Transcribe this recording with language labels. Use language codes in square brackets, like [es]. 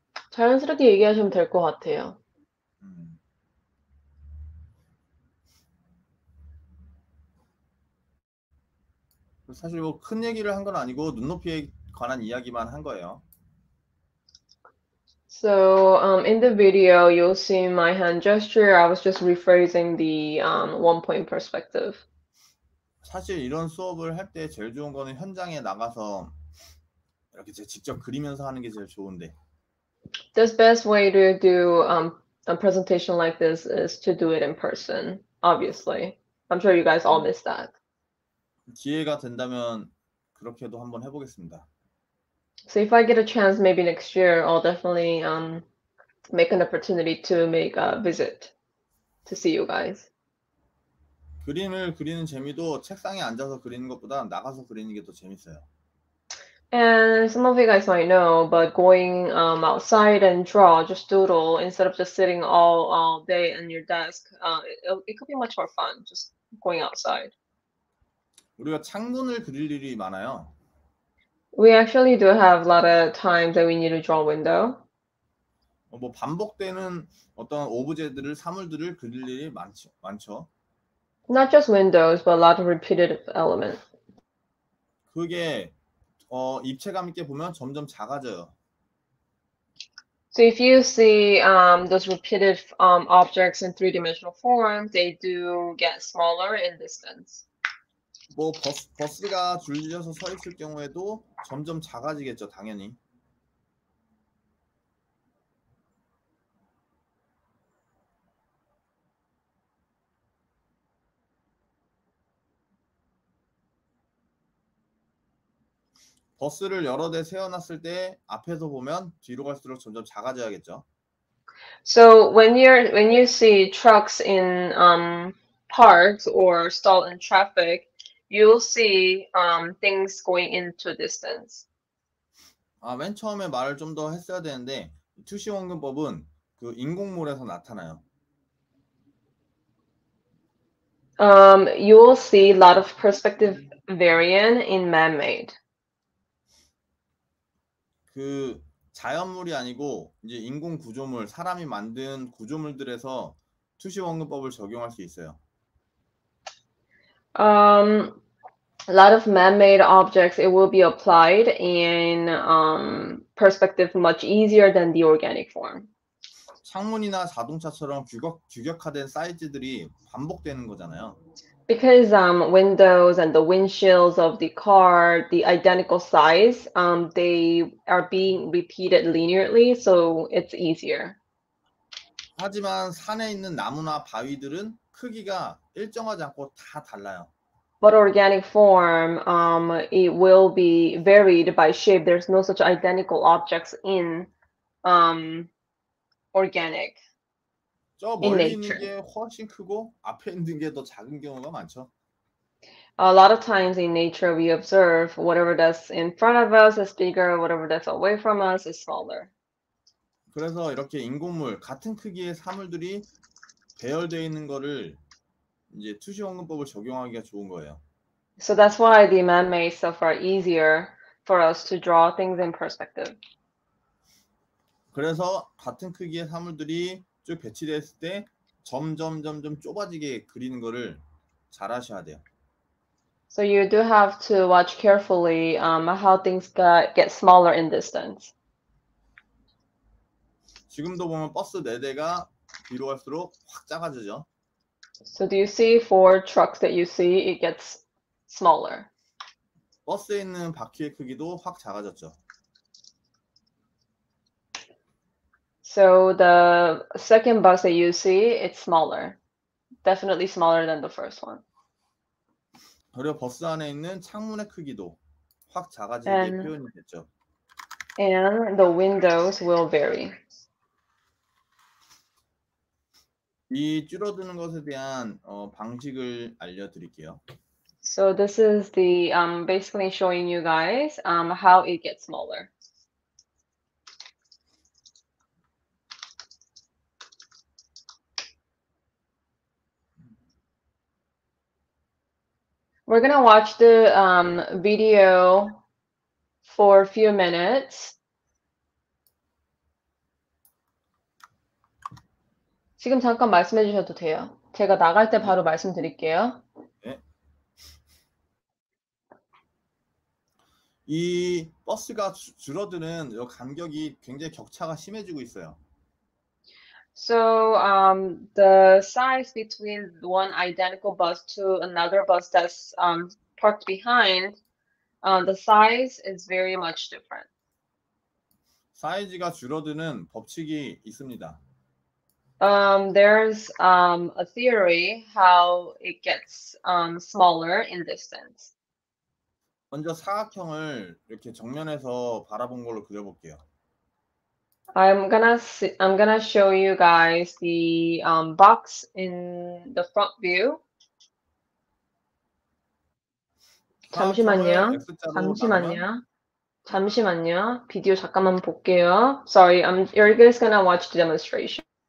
[ko] 자연스럽게 얘기하시면 될 것 같아요. 사실 뭐 큰 얘기를 한 건 아니고 눈높이에 관한 이야기만 한 거예요. [en] So in the video, you'll see my hand gesture. I was just rephrasing the one-point perspective. [ko] 사실 이런 수업을 할 때 제일 좋은 거는 현장에 나가서 이렇게 직접 그리면서 하는 게 제일 좋은데. [en] The best way to do a presentation like this is to do it in person, obviously. I'm sure you guys all miss that. [ko] 기회가 된다면 그렇게도 한번 해보겠습니다. [en] So if I get a chance, maybe next year, I'll definitely make an opportunity to make a visit to see you guys. [ko] 그림을 그리는 재미도 책상에 앉아서 그리는 것보다 나가서 그리는 게 더 재밌어요. [en] And some of you guys might know, but going outside and draw, just doodle instead of just sitting all day on your desk, it could be much more fun just going outside. [ko] 우리가 창문을 그릴 일이 많아요. [en] We actually do have a lot of time that we need to draw window. [ko] 뭐 반복되는 어떤 오브제들을 사물들을 그릴 일이 많죠. [en] Not just windows, but a lot of repeated elements. [ko] 그게 입체감 있게 보면 점점 작아져요. [en] So if you see those repeated objects in three-dimensional form, they do get smaller in distance. [ko] 뭐 버스가 줄지어서 서 있을 경우에도 점점 작아지겠죠, 당연히. 버스를 여러 대 세워놨을 때 앞에서 보면 뒤로 갈수록 점점 작아져야겠죠. [en] So when you see trucks in parks or stalled in traffic, you'll see things going into distance. [ko] 아, 맨 처음에 말을 좀더 했어야 되는데 투시 원근법은 그 인공물에서 나타나요. [en] You'll see a lot of perspective variant in man-made. [ko] 그 자연물이 아니고 이제 인공 구조물, 사람이 만든 구조물들에서 투시 원근법을 적용할 수 있어요. [en] A lot of man-made objects, it will be applied in perspective much easier than the organic form. [ko] 창문이나 자동차처럼 규격화된 사이즈들이 반복되는 거잖아요. [en] Because windows and the windshields of the car, the identical size, they are being repeated linearly, so it's easier. [ko] 하지만 산에 있는 나무나 바위들은 크기가 일정하지 않고 다 달라요. [en] But organic form, it will be varied by shape. There's no such identical objects in organic, [ko] 저 [en] in [ko] 멀리 있는 [en] nature. [ko] 게 훨씬 크고 앞에 있는 게더 작은 경우가 많죠. [en] A lot of times in nature, we observe whatever that's in front of us is bigger, whatever that's away from us is smaller. [ko] 그래서 이렇게 인공물, 같은 크기의 사물들이 배열되어 있는 거를 이제 투시 원근법을 적용하기가 좋은 거예요. [en] So that's why the man-made stuff are easier for us to draw things in perspective. [ko] 그래서 같은 크기의 사물들이 쭉 배치됐을 때 점점 좁아지게 그리는 거를 잘 하셔야 돼요. [en] So you do have to watch carefully how things get smaller in distance. [ko] 지금도 보면 버스 4대가 뒤로 갈수록 확 작아지죠. [en] So do you see for trucks that you see, it gets smaller. [ko] 버스에 있는 바퀴의 크기도 확 작아졌죠. [en] So the second bus that you see, it's smaller. Definitely smaller than the first one. [ko] 그리고 버스 안에 있는 창문의 크기도 확 작아지게 표현이 됐죠. [en] And the windows will vary. [ko] 이 줄어드는 것에 대한 방식을 알려드릴게요. [en] So this is the basically showing you guys how it gets smaller. We're gonna watch the video for a few minutes. [ko] 지금 잠깐 말씀해 주셔도 돼요. 제가 나갈 때 바로 말씀드릴게요. 이 버스가 줄어드는 이 간격이 굉장히 격차가 심해지고 있어요. [en] So, the size between one identical bus to another bus that's parked behind, the size is very much different. [ko] 사이즈가 줄어드는 법칙이 있습니다. [en] There's a theory how it gets smaller in distance. [ko] 먼저 사각형을 이렇게 정면에서 바라본 걸로 그려볼게요. [en] I'm gonna show you guys the box in the front view. [ko] 사각형을 잠시만요. X자로 나누면 잠시만요. 비디오 잠깐만 볼게요. [en] Sorry, you're just gonna watch the demonstration.